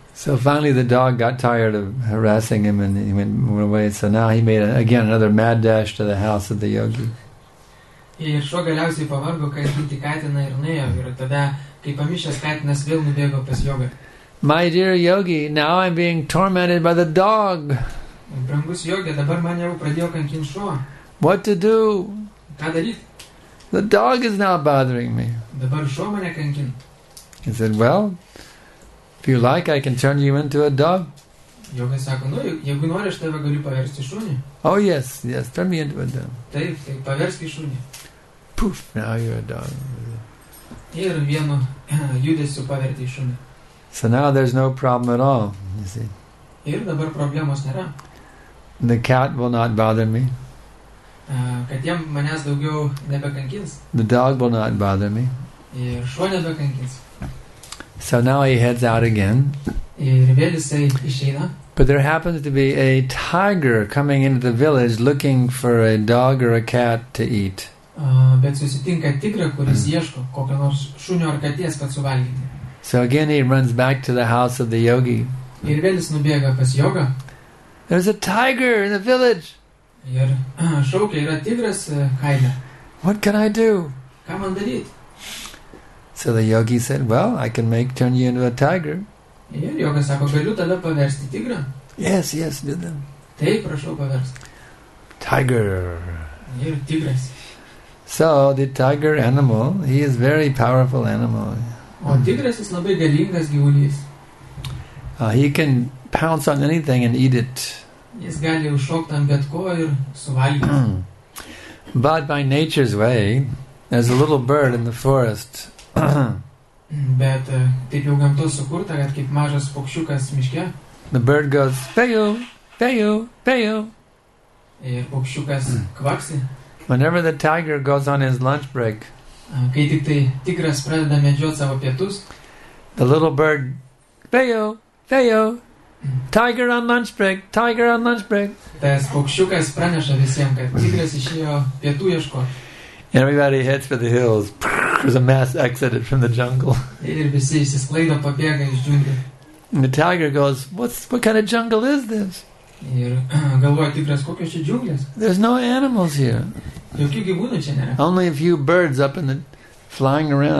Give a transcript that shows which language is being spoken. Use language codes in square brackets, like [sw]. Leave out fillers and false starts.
[en] So finally the dog got tired of harassing him and he went away. So now he made again another mad dash to the house of the yogi. [lt] Ir šuo galiausiai pavargo, kai būti katina ir nuėjo. Ir tada, kai pamišęs katinas, vėl nubėgo pas jogą. [en] My dear yogi, now I'm being tormented by the dog. [lt] Brangus jogė, dabar man jau pradėjo kankin šuo. [en] What to do? [lt] Ką daryt? [en] The dog is now bothering me. [lt] Dabar šuo mane kankin. [en] He said, "Well, if you like, I can turn you into a dog." [lt] Jogas sako, "Nu, jeigu nori, aš tave galiu paversti šunį." [en] Oh yes, yes, turn me into a dog. [lt] Taip, taip, paversk į šunį. [en] Poof, now you're a dog. [lt] Ir vienu judesiu paverti į šunį. [en] So now there's no problem at all, you see. [lt] Ir dabar problemos nėra. [en] The cat will not bother me. [lt] Kad jiem manęs daugiau nebekankins. [en] The dog will not bother me. [lt] Ir šuo nebekankins. [en] So now he heads out again. [lt] Ir vėl jisai išeina. [en] But there happens to be a tiger coming into the village looking for a dog or a cat to eat. [lt] Bet susitinka tigrą, kuris ieško kokio nors šunio ar katės, kad suvalgyti. [en] So again he runs back to the house of the yogi. [lt] Ir vėl jis nubėga pas jogą. [en] There's a tiger in the village. [lt] Ir šaukia, yra tigras kaime. [en] What can I do? [lt] Ką man daryti? [en] So the yogi said, "Well, I can make turn you into a tiger." [lt] Ir jogas sako, galiu tada paversti tigrą. [en] Yes, yes, do them. [lt] Taip, prašau paversti. [en] Tiger. [lt] Ir tigras. [en] So the tiger animal, he is very powerful animal. [lt] O tigras jis labai galingas gyvulys. [en] He can pounce on anything and eat it. [lt] Jis gali užšokti ant bet ko ir suvalgyti. [en] But by nature's way, there's a little bird in the forest. [lt] Bet taip jau gamtos sukurta, kad kaip mažas paukščiukas miške. [en] The bird goes, "Peju, peju, peju." [lt] Ir paukščiukas kvaksi. [en] Whenever the tiger goes on his lunch break, [lt] kai tik tai tigras pradeda medžioti savo pietus, [en] the little bird, "Peju, peju, tiger on lunch break, tiger on lunch break." [lt] Tas paukščiukas praneša visiems, kad tigras išėjo pietų ieškoti. [en] Everybody heads for the hills. There's a mass exodus from the jungle. And the tiger goes, what kind of jungle is this? There's no animals here. Only a few birds up in the flying around.